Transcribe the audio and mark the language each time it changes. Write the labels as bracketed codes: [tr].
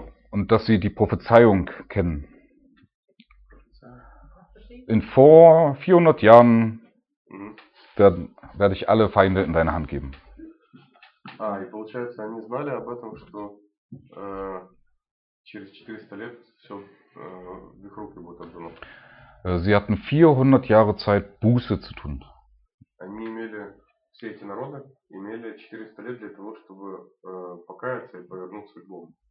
[de] Und dass sie die Prophezeiung kennen. In vor 400 Jahren werde ich alle Feinde in deine Hand geben. [ru] Ah, и получается, они знали об этом, что через 400 лет все в их руки будет отдано. [de] Sie hatten 400 Jahre Zeit, Buße zu tun. [ru] Они имели, все эти народы имели 400 лет для того, чтобы покаяться и повернуться к Богу.